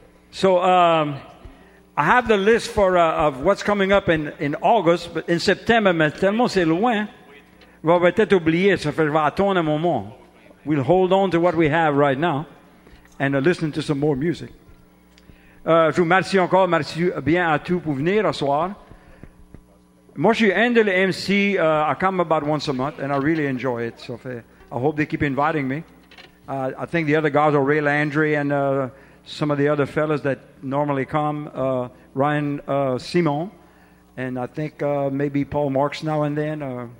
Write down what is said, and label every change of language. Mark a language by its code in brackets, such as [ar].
[en] So, I have the list for of what's coming up in August, but in September, [fr] mais tellement c'est loin, on va peut-être oublier, ça fait, je vais attendre un moment. [en] We'll hold on to what we have right now and listen to some more music. [fr] Je vous remercie encore, merci bien à tous pour venir ce soir. Moi, je suis un de les MC, [en] I come about once a month and I really enjoy it. So I hope they keep inviting me. I think the other guys are Ray Landry and some of the other fellas that normally come, Ryan Simon, and I think maybe Paul Marks now and then.